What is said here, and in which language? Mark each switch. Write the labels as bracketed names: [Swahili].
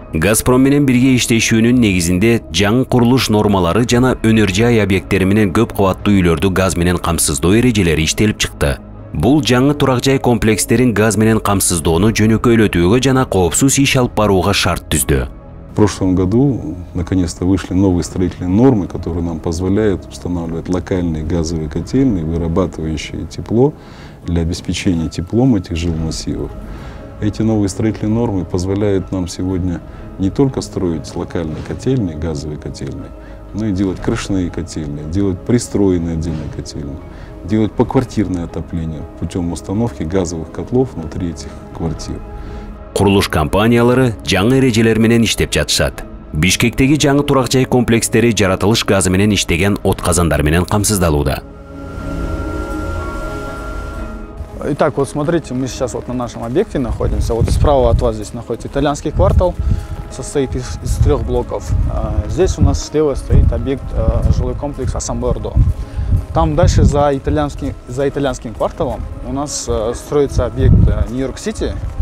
[Kyrgyz] Газпром менен бирге иштешүүнүн негизинде жаңы курулуш нормалары жана энергия объекттери менен көп кабаттуу үйлөрдү газ менен камсыздоо эрежелери иштелип чыкты. Бул жаңы турак-жай комплекстерин газ менен камсыздоону жөнөкөйлөтүүгө жана коопсуз иш алып барууга шарт түздү. [Russian] В прошлом году наконец-то вышли новые строительные нормы, которые нам позволяют устанавливать локальные газовые котельные, вырабатывающие тепло для обеспечения теплом этих жилмассивов. Эти новые строительные нормы позволяют нам сегодня не только строить локальные котельные, газовые котельные, но и делать крышные котельные, делать пристроенные отдельные котельные, делать поквартирное отопление путем установки газовых котлов внутри этих квартир. [Kyrgyz] Курулуш компаниялары жаңы эрежелер менен иштеп жатышат. Бишкектеги жаңы турак-жай комплекстери жаратылыш газы менен иштеген от казандар менен камсыздалууда. [Russian] Итак, вот смотрите, мы сейчас вот на нашем объекте находимся. Вот справа от вас здесь находится итальянский квартал, состоит из трех блоков. Здесь у нас слева стоит объект жилой комплекс Асамбордо. Там дальше за итальянским кварталом у нас строится объект Нью-Йорк-Сити.